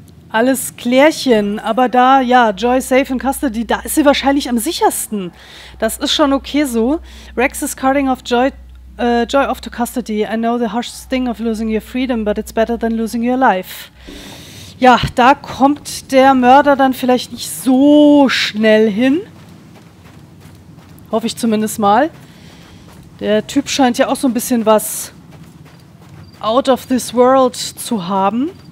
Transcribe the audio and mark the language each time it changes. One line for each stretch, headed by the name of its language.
German: Alles Klärchen, aber da, ja,
English: Joy safe in custody,
German: da ist sie wahrscheinlich am sichersten. Das ist schon okay so.
English: Rex is carting off Joy off to custody. I know the harsh sting of losing your freedom, but it's better than losing your life.
German: Ja, da kommt der Mörder dann vielleicht nicht so schnell hin. Hoffe ich zumindest mal. Der Typ scheint ja auch so ein bisschen was
English: out of this world
German: zu haben.